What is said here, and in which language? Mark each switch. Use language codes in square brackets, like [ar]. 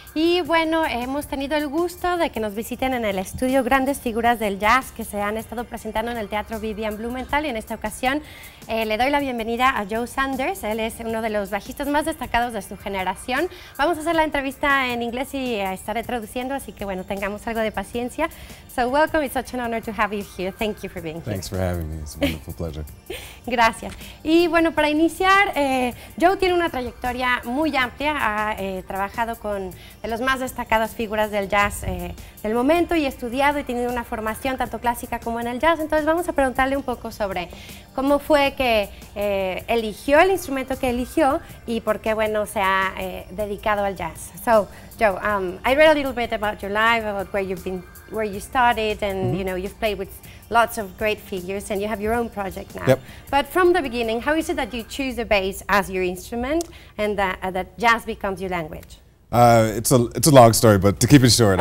[es] Y bueno, hemos tenido el gusto de que nos visiten en el estudio grandes figuras del jazz que se han estado presentando en el Teatro Vivian Blumenthal y en esta ocasión le doy la bienvenida a Joe Sanders. Él es uno de los bajistas más destacados de su generación. Vamos a hacer la entrevista en inglés y estaré traduciendo, así que bueno, tengamos algo de paciencia. [en] So welcome, it's such an honor to have you here. Thank you for being here. Thanks for having me, it's a wonderful pleasure. [es] Gracias. Y bueno, para iniciar, Joe tiene una trayectoria muy amplia, trabajado con de las más destacadas figuras del jazz del momento y estudiado y tenido una formación tanto clásica como en el jazz. Entonces vamos a preguntarle un poco sobre cómo fue que eligió el instrumento que eligió y por qué, bueno, se ha dedicado al jazz. [en] So, Joe, I read a little bit about your life, about where you started and, mm-hmm. you know, you've played with lots of great figures and you have your own project now. Yep. But from the beginning, how is it that you choose the bass as your instrument and that jazz becomes your language? It's a long story, but to keep it short,